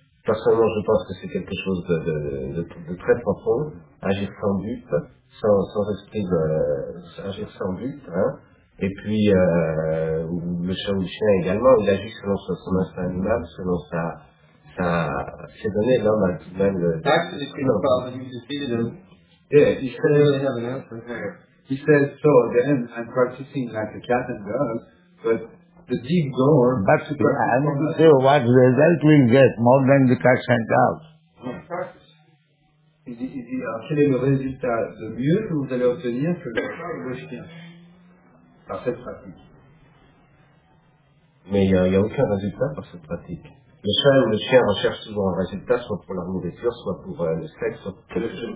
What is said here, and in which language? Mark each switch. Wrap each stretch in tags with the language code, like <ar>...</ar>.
<fr>Personnellement, je pense que c'est quelque chose de très profond, agir sans but, sans esprit, agir sans but, hein. Et puis, le chien également, il agit selon son instinct animal, selon ses données, l'homme a dit même le...</fr> <en>He says, so again, I'm practicing like a cat and dog, but the deep goer... But the I want to say what result will get more than the cat and dog.</en> <fr>Quel est le résultat de mieux que vous allez obtenir que le chat ou le chien par cette pratique? Mais il n'y a aucun résultat par cette pratique. Le chat ou le chien recherche souvent un résultat, soit pour la nourriture, soit pour le sexe, soit pour le chien.</fr>